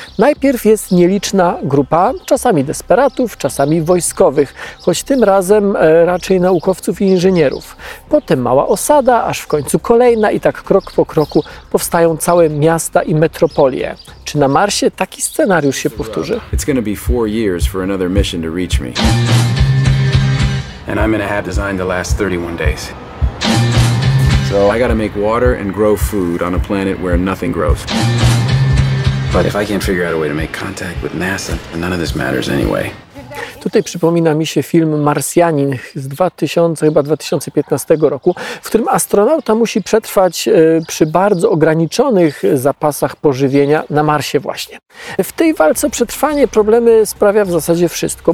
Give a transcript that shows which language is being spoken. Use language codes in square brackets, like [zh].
[pl] Najpierw jest nieliczna grupa, czasami desperatów, czasami wojskowych, choć tym razem raczej naukowców i inżynierów. Potem mała osada, aż w końcu kolejna i tak krok po kroku powstają całe miasta i metropolie. Czy na Marsie taki scenariusz się powtórzy? [en] It's gonna be 4 years for another mission to reach me. And I'm in a hab designed to last 31 days. So I gotta make water and grow food on a planet where nothing grows. But if I can't figure out a way to make contact with NASA, then none of this matters anyway. [pl] Tutaj przypomina mi się film Marsjanin z 2015 roku, w którym astronauta musi przetrwać przy bardzo ograniczonych zapasach pożywienia na Marsie właśnie. W tej walce o przetrwanie problemy sprawia w zasadzie wszystko.